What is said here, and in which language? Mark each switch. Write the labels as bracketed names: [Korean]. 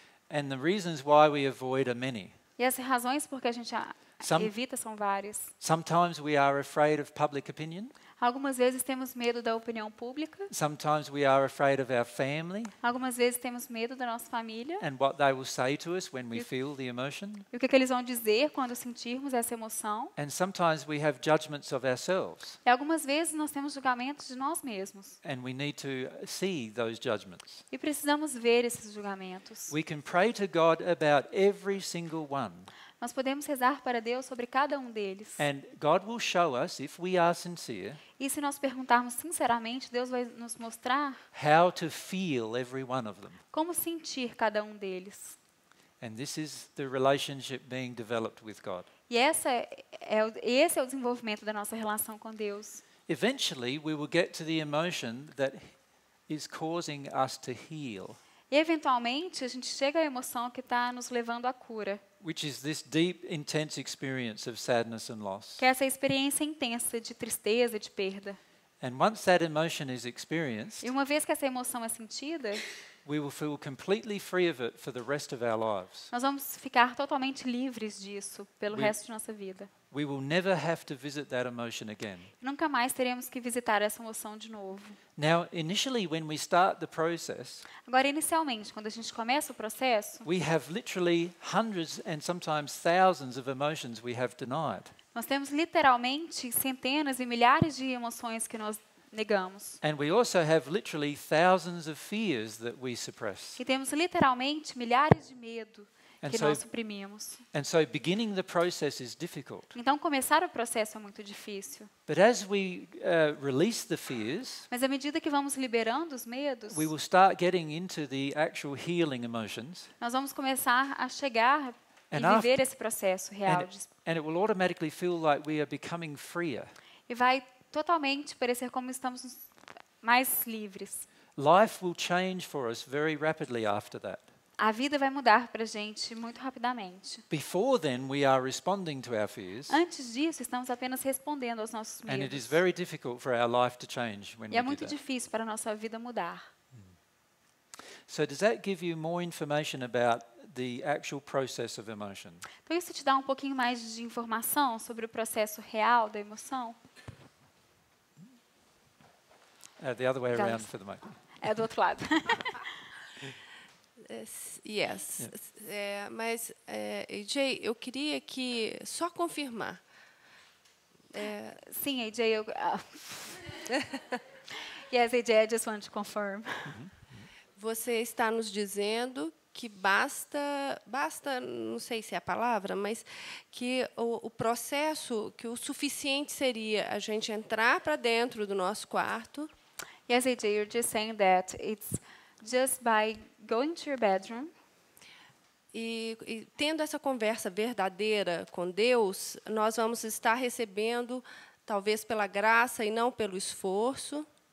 [English] And the reasons why we avoid are many. [Portuguese] E as razões por que a gente evita são várias. [English] Sometimes we are afraid of public opinion. [Portuguese] Algumas vezes temos medo da opinião pública. [English] Sometimes we are afraid of our family. [Portuguese] Algumas vezes temos medo da nossa família. [English] And what they will say to us when we feel the emotion. [Portuguese] E o que eles vão dizer quando sentirmos essa emoção? [English] And sometimes we have judgments of ourselves. [Portuguese] E algumas vezes nós temos julgamentos de nós mesmos. [English] And we need to see those judgments. [Portuguese] E precisamos ver esses julgamentos. [English] We can pray to God about every single one. [Portuguese] Nós podemos rezar para Deus sobre cada um deles. [English] And God will show us if we are sincere. [Portuguese] E se nós perguntarmos sinceramente, Deus vai nos mostrar [English] how to feel every one of them. [Portuguese] Como sentir cada um deles. [English] And this is the relationship being developed with God. [Portuguese] E esse é o desenvolvimento da nossa relação com Deus. [English] Eventually we will get to the emotion that is causing us to heal. [Portuguese] E eventualmente a gente chega à emoção que está nos levando à cura. [English] Which is this deep, intense experience of sadness and loss. [Portuguese] Que é essa experiência intensa de tristeza e de perda. [English] And once that emotion is experienced. [Portuguese] E uma vez que essa emoção é sentida. [English] We will feel completely free of it for the rest of our lives. [Portuguese] Nós vamos ficar totalmente livres disso pelo resto de nossa vida. [English] We will never have to visit that emotion again. [Portuguese] Nunca mais teremos que visitar essa emoção de novo. [English] Now, initially when we start the process. [Portuguese] Agora inicialmente, quando a gente começa o processo. [English] We have literally hundreds and sometimes thousands of emotions we have denied. [Portuguese] Nós temos literalmente centenas e milhares de emoções que nós negamos. [English] And we also have literally thousands of fears that we suppress. [Portuguese] E temos literalmente milhares de medo que nós suprimimos. [English] And so beginning the process is difficult. [Portuguese] Então começar o processo é muito difícil. [English] But as we release the fears, [Portuguese] mas à medida que vamos liberando os medos, [English] we will start getting into the actual healing emotions. [Portuguese] Nós vamos começar a chegar e viver esse processo real. [English] And it will automatically feel like we are becoming freer. [Portuguese] E vai totalmente parecer como estamos mais livres. [English] Life will change for us very rapidly after that. [Portuguese] A vida vai mudar para a gente muito rapidamente. [English] Before then, we are responding to our fears. [Portuguese] Antes disso, estamos apenas respondendo aos nossos medos. [English] And it is very difficult for our life to change when we do that. [Portuguese] E é muito difícil para a nossa vida mudar. [English] So does that give you more information about the actual process of emotion? [Portuguese] Então isso te dá um pouquinho mais de informação sobre o processo real da emoção? [English] The other way around for the moment. [Portuguese] É do outro lado. Yes, mas AJ, eu queria que só confirmar. Sim, AJ, eu. [English] Yes, AJ, I just wanted to confirm. [Portuguese] Você está nos dizendo que basta, não sei se é a palavra, mas que o processo, que o suficiente seria a gente entrar para dentro do nosso quarto. [English] Yes, AJ, you're just saying that it's just by going to your bedroom. [Portuguese] E tendo essa conversa verdadeira com Deus, nós vamos estar recebendo, talvez pela graça e não pelo esforço.